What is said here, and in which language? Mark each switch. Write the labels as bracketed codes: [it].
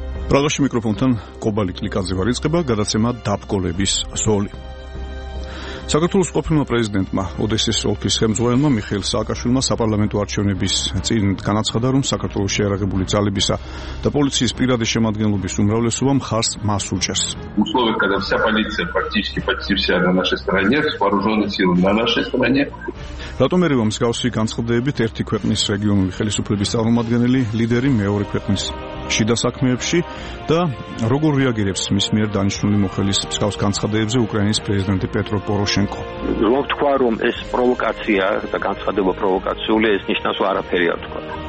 [ka] პრაღაში მიკროფონთან კობალი კლიკანძევა რიცხება გადაცემა დაბკოლების ზოლი. საქართველოს ყოფილმა პრეზიდენტმა ოდესის ოლქის ხელმძღვანელმა მიხეილ სააკაშვილმა საპარლამენტო არჩევნების წინ განაცხადა, რომ საქართველოს შეიარაღებული ძალებისა და პოლიციის პირადი შემადგენლობის უმრავლესობა მხარს მას უჭერს. [ru] Условия, когда вся полиция практически почти вся на нашей стороне, вооружённые силы на нашей стороне. [ka] რატომ ერევა მსგავსი განცხადებით ერთი ქვეყნის რეგიონული ხელისუფლების წარმომადგენელი ლიდერი მეორე ქვეყნის შიდა საქმეებში და როგორ რეაგირებს მის მიერ დანიშნული მოხელის მსგავს განცხადებებზე უკრაინის პრეზიდენტი პეტრო პოროშენკო? რომ ვთქვა, რომ ეს პროვოკაცია და განცხადება პროვოკაციულია, ეს ნიშნავს არაფერი არ ვთქვა.